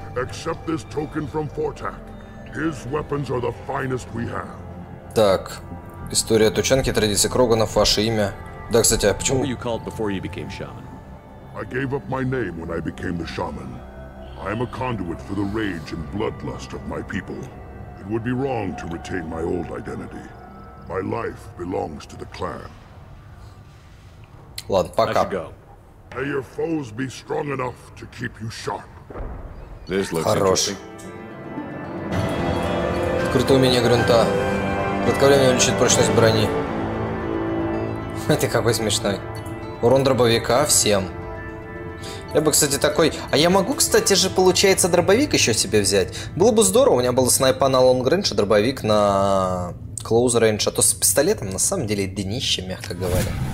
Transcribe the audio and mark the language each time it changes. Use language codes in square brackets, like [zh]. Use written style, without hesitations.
[en] Accept this token from Fortak. His weapons are the finest we have. [ru] Так, История Тучанки, традиции Кроганов, ваше имя. Да, кстати, а почему? [en] What were you called before you became shaman? I gave up my name when I became the shaman. I am a conduit for the rage and bloodlust of my people. It would be wrong to retain my old identity. My life belongs to the clan. [ru] Ладно, пока. [en] May your foes be strong enough to keep you sharp. This looks [ru] хороший. Открытое умение грунта. Подковление увеличит прочность брони. Это какой смешной. Урон дробовика всем. Я бы, кстати, такой... А я могу, кстати же, получается, дробовик еще себе взять? Было бы здорово, у меня был снайпа на [en] long range, [ru] а дробовик на [en] close range. [ru] А то с пистолетом, на самом деле, днище, мягко говоря.